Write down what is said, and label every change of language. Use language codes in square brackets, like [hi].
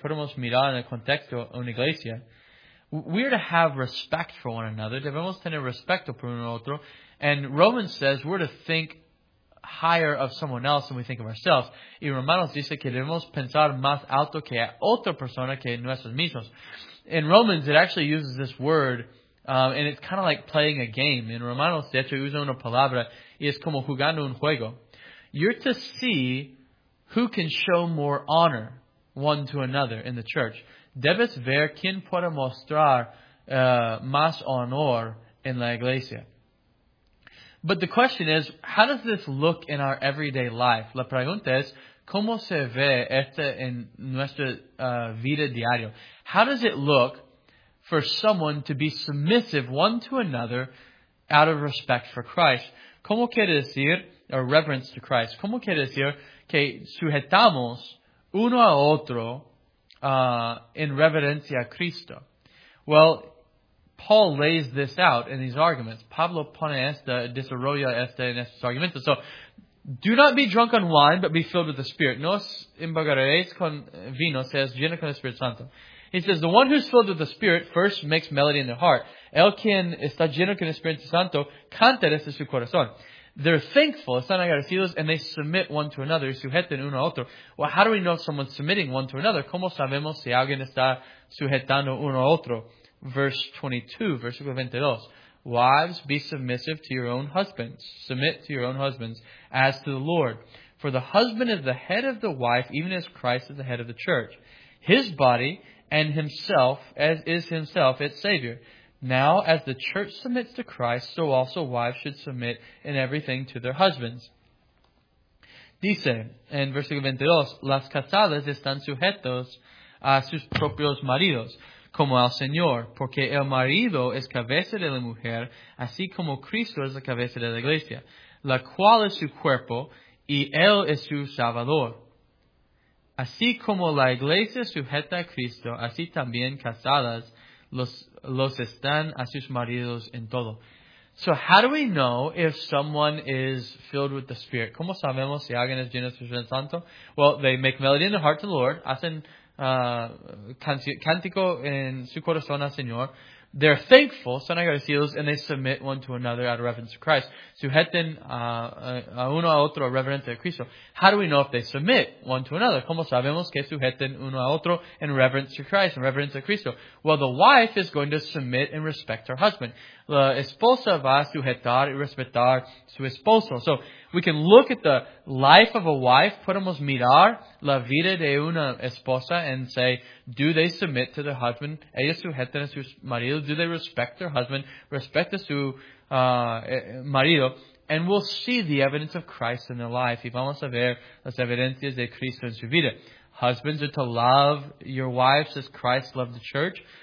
[es] Podemos mirar en el contexto de una iglesia. [en] We are to have respect for one another. [es] Debemos tener respeto por uno a otro. [en] And Romans says we're to think higher of someone else than we think of ourselves. [es] Y Romanos dice que debemos pensar más alto que a otra persona que nuestros mismos. [en] In Romans, it actually uses this word, and it's kind of like playing a game. [es] In Romanos, de hecho, usa una palabra, y es como jugando un juego. [en] You're to see who can show more honor one to another in the church. [es] Debes ver quién puede mostrar más honor en la iglesia. [en] But the question is, how does this look in our everyday life? [es] La pregunta es, ¿cómo se ve esto en nuestra vida diaria? [en] How does it look for someone to be submissive one to another out of respect for Christ? [es] ¿Cómo quiere decir, [en] or reverence to Christ? [es] ¿Cómo quiere decir que sujetamos uno a otro en reverencia a Cristo? [en] Well, Paul lays this out in these arguments. [es] Pablo pone esta, desarrolla esta en estos argumentos. [en] So, do not be drunk on wine, but be filled with the Spirit. [es] No os embriagaréis con vino, seas lleno con el Espíritu Santo. [en] He says, the one who's filled with the Spirit first makes melody in their heart. [es] El quien está lleno con el Espíritu Santo canta desde su corazón. [en] They're thankful, [es] están agradecidos, [en] and they submit one to another, [es] sujetan uno a otro. [en] Well, how do we know someone's submitting one to another? [es] ¿Cómo sabemos si alguien está sujetando uno a otro? [en] Verse 22. Wives, be submissive to your own husbands. Submit to your own husbands as to the Lord. For the husband is the head of the wife, even as Christ is the head of the church. His body and himself, as is himself, its Savior. Now, as the church submits to Christ, so also wives should submit in everything to their husbands. [es] Dice, en versículo 22, las casadas están sujetos a sus propios maridos, como al Señor, porque el marido es cabeza de la mujer, así como Cristo es la cabeza de la iglesia, la cual es su cuerpo, y él es su salvador. Así como la iglesia sujeta a Cristo, así también casadas los están a sus maridos en todo. [en] So how do we know if someone is filled with the Spirit? [es] ¿Cómo sabemos si alguien es lleno del Espíritu Santo? [en] Well, they make melody in their heart to the Lord, [es] hacen cántico en su corazón al Señor. [en] They're thankful, [es] son agradecidos, [en] and they submit one to another out of reverence to Christ. [es] Sujeten a uno a otro a reverencia a Cristo. [en] How do we know if they submit one to another? [es] ¿Cómo sabemos que sujeten uno a otro en [en] reverence to Christ, [es] en reverencia a Cristo? [en] Well, the wife is going to submit and respect her husband. [es] La esposa va a sujetar y respetar su esposo. [en] So, we can look at the life of a wife, [es] podemos mirar la vida de una esposa [en] and say, do they submit to their husband? [es] Ellos sujetan a sus maridos. [en] do they respect their husband, respect [es] a su marido, [en] and we'll see the evidence of Christ in their life. [es] Y vamos a ver las evidencias de Cristo en su vida. [en] Husbands are to love your wives as Christ loved the church.